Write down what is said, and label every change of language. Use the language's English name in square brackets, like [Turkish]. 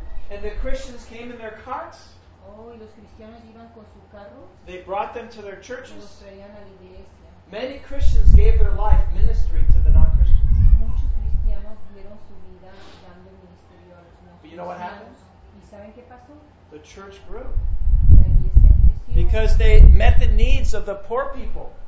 [English] And the Christians came in their carts. [Spanish] Oh, y los cristianos iban con su carro. [English] They brought them to their churches. [Spanish] Los traían a la iglesia. [English] Many Christians gave their life ministering to the non-Christians. [Spanish] Muchos cristianos dieron su vida dando ministerio a los [English] non-Christians. But you know what happened? [Spanish] ¿Y saben qué pasó? [English] The church grew. [Spanish] La iglesia creció. [English] Because they met the needs of the poor people.